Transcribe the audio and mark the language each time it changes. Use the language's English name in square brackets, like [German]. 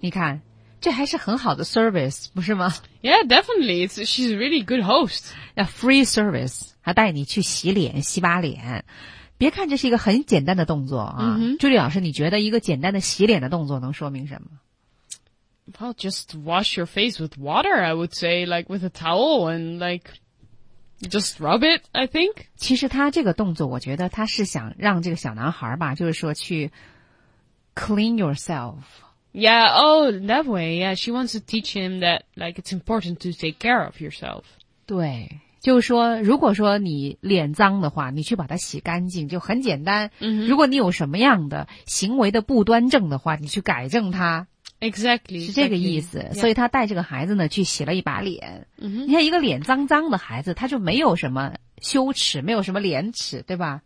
[Chinese] 你看这还是很好的 service, 不是吗 [English] Yeah, definitely. She's a really good host. A free service. [Chinese] 还带你去洗脸洗把脸。别看这是一个很简单的动作啊。 Mm-hmm. 朱莉老师你觉得一个简单的洗脸的动作能说明什么 [English] Well, just wash your face with water, I would say, like with a towel and like, just rub it, I think. [Chinese] 其实他这个动作我觉得他是想让这个小男孩吧就是说去 [English] clean yourself. Yeah, oh, that way, yeah, she wants to teach him that like it's important to take care of yourself. [Chinese] 对就是说如果说你脸脏的话你去把它洗干净就很简单、 mm-hmm. 如果你有什么样的行为的不端正的话你去改正它。 [English] Exactly, [Chinese] 是这个意思、 [English] exactly. [Chinese] 所以他带这个孩子呢、yeah. 去洗了一把脸、 mm-hmm. 你看一个脸脏脏的孩子他就没有什么羞耻没有什么廉耻对吧、